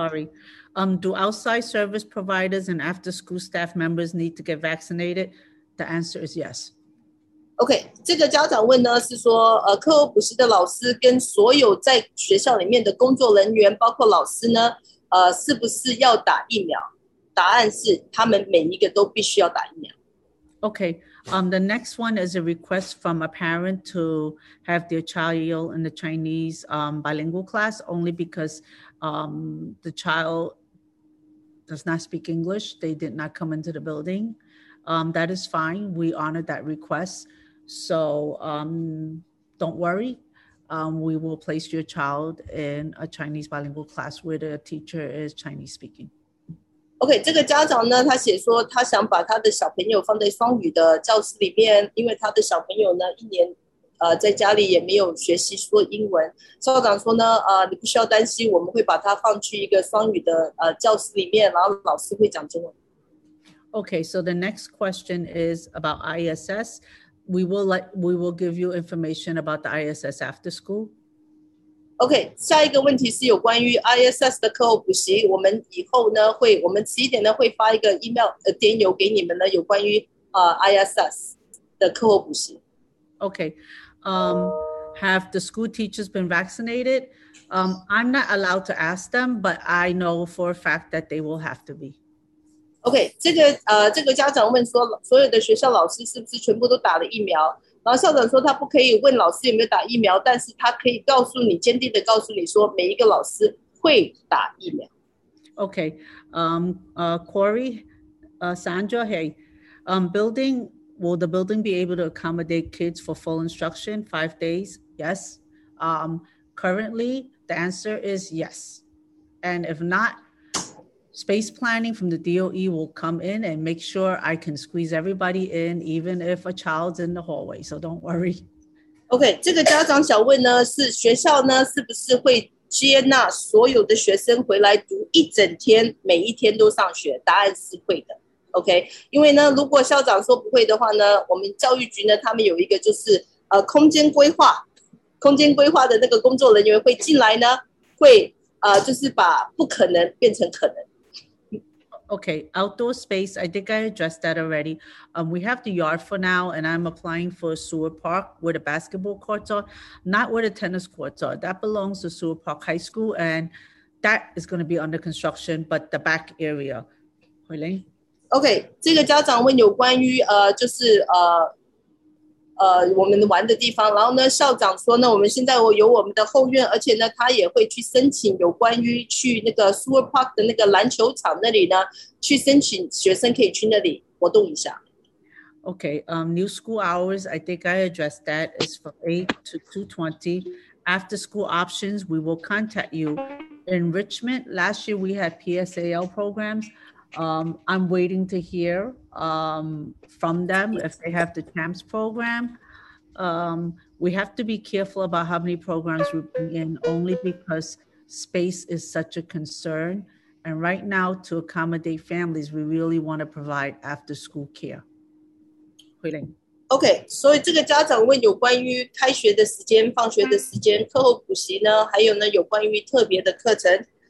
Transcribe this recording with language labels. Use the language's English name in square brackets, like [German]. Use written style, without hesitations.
[English] Okay. Sorry. Do outside service providers and after school staff members need to get vaccinated? The answer is yes. [Chinese] Okay, 这个家长问呢是说课后补习的老师跟所有在学校里面的工作人员包括老师呢是不是要打疫苗？答案是他们每一个都必须要打疫苗。 [English] Okay, the next one is a request from a parent to have their child in the Chinese bilingual class only becausethe child does not speak English. They did not come into the building. That is fine. We honored that request. So don't worry. We will place your child in a Chinese bilingual class where the teacher is Chinese speaking. [Chinese] Okay, 这个家长呢，他写说他想把他的小朋友放在双语的教室里面，因为他的小朋友呢一年在家里也没有学习说英文，校长说呢，你不需要担心，我们会把它放去一个双语的教室里面，然后老师会讲中文。 [English] Okay, so the next question is about ISS. We will give you information about the ISS after school. [Chinese] Okay, 下一个问题是有关于 ISS 的课后补习，我们以后呢会，我们十一点呢会发一个 email 电邮给你们呢，有关于ISS 的课后补习。 [English] Okay, have the school teachers been vaccinated? I'm not allowed to ask them, but I know for a fact that they will have to be. [Chinese] Okay, 这个家长问说，所有的学校老师是不是全部都打了疫苗？然后校长说他不可以问老师有没有打疫苗，但是他可以告诉你，坚定的告诉你说，每一个老师会打疫苗。 [English] Okay, Corey, Sandra, hey, building... Will the building be able to accommodate kids for full instruction 5 days? Yes. Currently, the answer is yes. And if not, space planning from the DOE will come in and make sure I can squeeze everybody in, even if a child's in the hallway. So don't worry. [Chinese] Okay, 这个家长想问呢，是学校呢，是不是会接纳所有的学生回来读一整天，每一天都上学？答案是会的。 OK， 因为呢，如果校长说不会的话呢，我们教育局呢，他们有一个就是空间规划的那个工作人员会进来呢，会就是把不可能变成可能。 [English] OK， outdoor space， I think I addressed that already. We have the yard for now, and I'm applying for a sewer park where the basketball courts are, not where the tennis courts are. That belongs to Sewer Park High School, and that is going to be under construction, but the back area. [Chinese] 回来。 OK， 这个家长问有关于就是我们玩的地方，然后呢，校长说呢，我们现在有我们的后院，而且呢，他也会去申请有关于去那个 Sewer Park 的那个篮球场那里呢，去申请学生可以去那里活动一下。 [English] OK， new school hours， I think I addressed that is from 8 to 2:20. After school options， we will contact you. Enrichment， last year we had PSAL programs. I'm waiting to hear from them if they have the CHAMPS program. We have to be careful about how many programs we bring in only because space is such a concern And right now, to accommodate families, we really want to provide after school care. Huiling. [Chinese] Okay, 所以这个家长问有关于开学的时间、放学的时间、课后补习呢，还有呢有关于特别的课程。